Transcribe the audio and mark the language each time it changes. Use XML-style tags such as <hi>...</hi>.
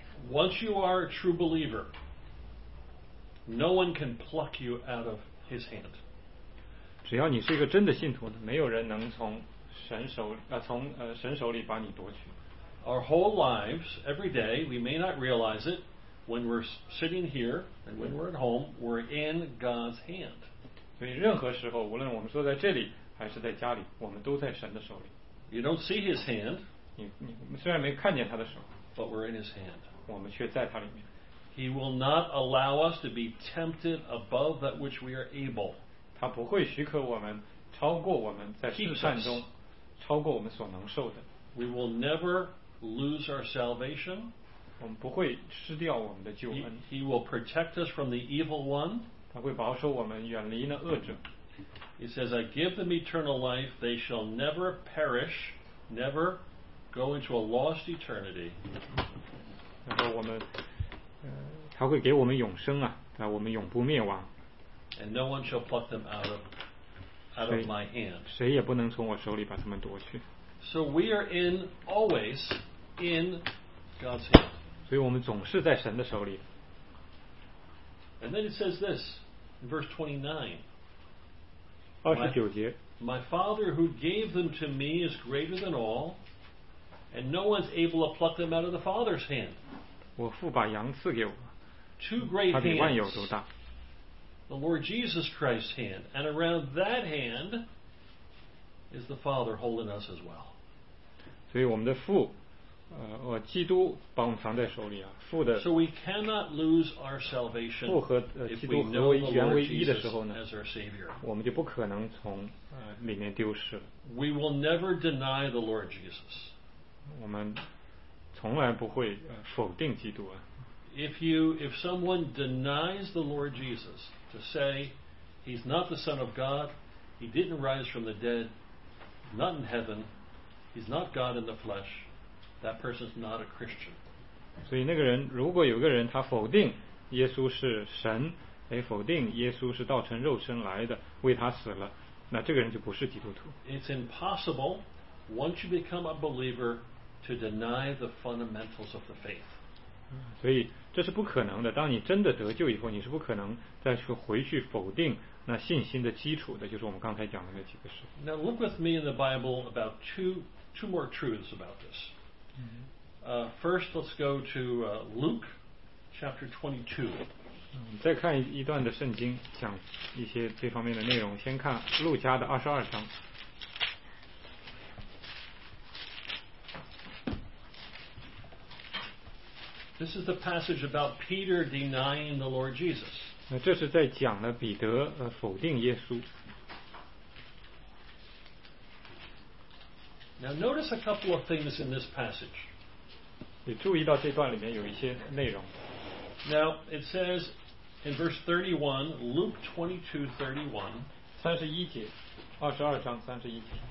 <en>Once you are a true believer, no one can pluck you out of his hand.</en> <zh>只要你是一个真的信徒，没有人能从神手神手里把你夺取。</zh> <en>Our whole lives, every day, we may not realize it, when we're sitting here and when we're at home, we're in God's hand.</en> <zh>所以任何时候，无论我们坐在这里还是在家里，我们都在神的手里。</zh> <en>You don't see His hand.</en> <zh>你虽然没看见他的手</zh> <en>，but we're in His hand.</en> <zh>我们却在他里面。</zh> <en>He will not allow us to be tempted above that which we are able.</en> <zh>他不会许可我们超过我们在试探中超过我们所能受的。</zh> <en>We will never lose our salvation.</en> <zh>我们不会失掉我们的救恩。</zh> <en>He will protect us from the evil one.</en> <zh>他会保守我们远离那恶者。</zh> <en>He says, I give them eternal life. They shall never perish, never go into a lost eternity.</en> <zh>然后我们他会给我们永生啊，让我们永不灭亡。</zh> <en>And no one shall pluck them out of my hand.</en> <zh>谁也不能从我手里把他们夺去。</zh> <en>So we are always in God's hand.</en> <zh>所以我们总是在神的手里。</zh> <en>And then it says this in verse 29,</en> <zh>29节</zh> <en>My father who gave them to me is greater than all, and no one's able to pluck them out of the father's hand.</en> <zh>我父把羊赐给我</zh> <en>Two great hands,</en> <zh>他比万有都大</zh> <en>The Lord Jesus Christ's hand, and around that hand is the father holding us as well.</en> <zh>所以我们的父基督把我们藏在手里啊，父的。</zh> <en>So we cannot lose our salvation.</en> <zh>父和基督合为原为一的时候呢，我们就不可能从里面丢失了。</zh> <en>We will never deny the Lord Jesus.</en> <zh>我们从来不会否定基督啊。</zh> <en>If someone denies the Lord Jesus to say he's not the Son of God, he didn't rise from the dead, not in heaven, he's not God in the flesh. That person is not a Christian.</en> <zh>所以那个人，如果有个人他否定耶稣是神，哎，否定耶稣是道成肉身来的，为他死了，那这个人就不是基督徒。</zh> <en>It's impossible once you become a believer to deny the fundamentals of the faith.</en> <zh>所以这是不可能的。当你真的得救以后，你是不可能再去回去否定那信心的基础的，就是我们刚才讲的那几个事。</zh> <en>Now look with me in the Bible about two more truths about this. First, let's go to Luke chapter 22.</en> <zh>再看一段的圣经，讲一些这方面的内容。先看路加的二十二章。</zh> <en>This is the passage about Peter denying the Lord Jesus.</en> <zh>那这是在讲了彼得否定耶稣。</zh> <en>Now notice a couple of things in this passage.</en> <zh>你注意到这段里面有一些内容。</zh> <en>Now it says in verse 31, Luke 22:31.</en> <zh>三十一节，二十二章三十一节。</zh>